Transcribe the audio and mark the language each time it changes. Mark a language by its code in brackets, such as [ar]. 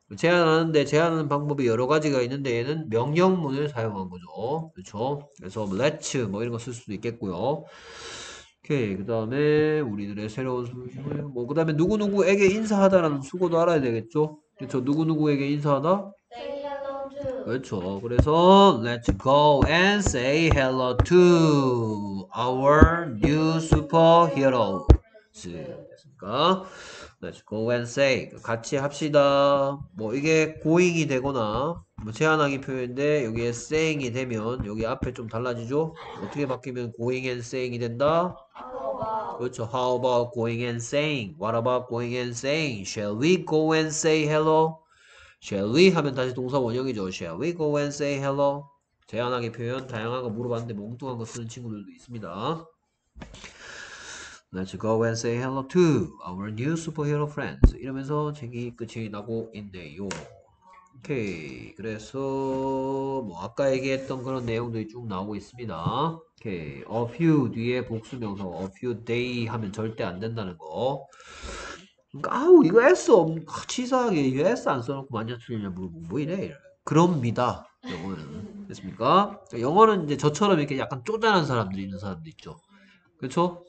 [ko] 제안하는데 제안하는 방법이 여러 가지가 있는데 얘는 명령문을 사용한 거죠. 그렇죠? 그래서 Let's 뭐 이런 거쓸 수도 있겠고요. 오케이. 그 다음에 우리들의 새로운 슈퍼히어로 뭐그 다음에 누구누구에게 인사하다라는 수고도 알아야 되겠죠? 그렇죠? 누구누구에게 인사하다? 그렇죠. [en] 그래서 let's go and say hello to our new superheroes. 됐습니까? Let's go and say 같이 합시다. [ko] 뭐 이게 고잉이 되거나 뭐 제안하기 표현인데 여기에 saying이 되면 여기 앞에 좀 달라지죠? 어떻게 바뀌면 going and saying 이 된다? 그렇죠. [en] How about going and saying? What about going and saying? Shall we go and say hello? Shall we 하면 다시 동사 원형이죠. Shall we go and say hello? [ko] 제안하기 표현 다양한 거 물어봤는데 엉뚱한 거 쓰는 친구들도 있습니다. [en] Let's go and say hello to our new superhero friends. [ko] 이러면서 책이 끝이 나고 있네요. 오케이. 그래서 뭐 아까 얘기했던 그런 내용들이 쭉 나오고 있습니다. 오케이. A few 뒤에 복수 명사 A few day 하면 절대 안 된다는 거. 아우 이거 S 없 치사하게 S 안 써놓고 만약 틀리냐 뭐 이래 그럽니다 영어는 됐습니까? 영어는 이제 저처럼 이렇게 약간 쪼잔한 사람들이 있는 사람도 있죠. 그쵸?